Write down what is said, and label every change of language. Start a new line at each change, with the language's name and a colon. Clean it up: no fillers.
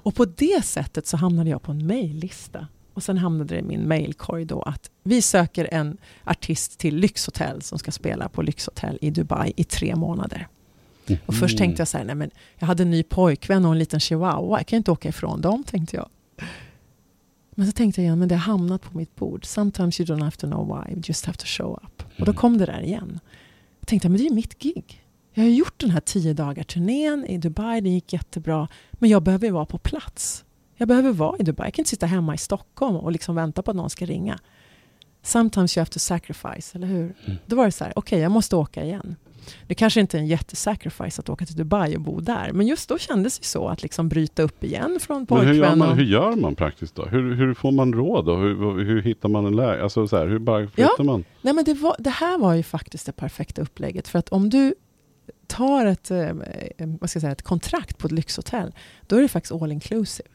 Swedish: Och på det sättet så hamnade jag på en maillista. Och sen hamnade det i min mailkorg då att vi söker en artist till Lyxhotell som ska spela på Lyxhotell i Dubai i 3 månader. Och först tänkte jag så här, nej men jag hade en ny pojkvän och en liten chihuahua, jag kan inte åka ifrån dem, tänkte jag. Men så tänkte jag igen, men det har hamnat på mitt bord.
English: Sometimes you don't have to know why, you just have to show up.
Swedish: Mm. Och då kom det där igen. Jag tänkte, men det är mitt gig. Jag har gjort den här 10-dagars turnén i Dubai, det gick jättebra. Men jag behöver vara på plats. Jag behöver vara i Dubai, jag kan inte sitta hemma i Stockholm och liksom vänta på att någon ska ringa.
English: Sometimes you have to sacrifice,
Swedish: eller hur? Mm. Då var det så här, okej, jag måste åka igen. Det kanske inte är en jättesacrifice att åka till Dubai och bo där. Men just då kändes det så att liksom bryta upp igen från pojkvän. Men hur gör man praktiskt då? Hur får man råd då? Hur hittar man en läge? Alltså så här, hur bara flyttar man? Nej, men det här var ju faktiskt det perfekta upplägget. För att om du tar ett kontrakt på ett lyxhotell, då är det faktiskt all inclusive.